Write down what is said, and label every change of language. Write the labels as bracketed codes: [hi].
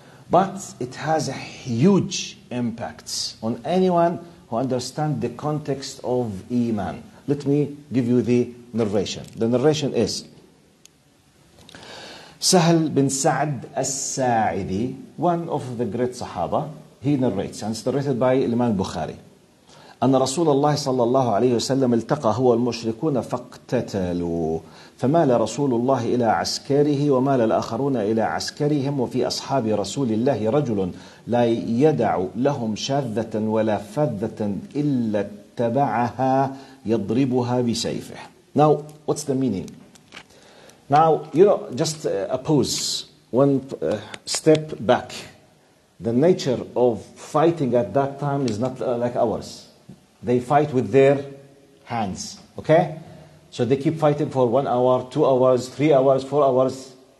[en] But it has a huge impact on anyone who understands the context of Iman. Let me give you the narration. The narration is, Sahal bin Sa'd al-Sa'idi, one of the great Sahaba, he narrates, and it's narrated by Imam Bukhari. [ar] أن رسول الله صلى الله عليه وسلم التقى هو المشركون فاقتتلوا فمال رسول الله إلى عسكره ومال الآخرون إلى عسكرهم وفي أصحاب رسول الله رجل لا يدع لهم شاذة ولا فذة إلا اتبعها يضربها بسيفه. [en] Now, what's the meaning? Now, you know, just a pause, one step back. The nature of fighting at that time is not like ours. They fight with their hands, okay? So they keep fighting for 1 hour, 2 hours, 3 hours, 4 hours.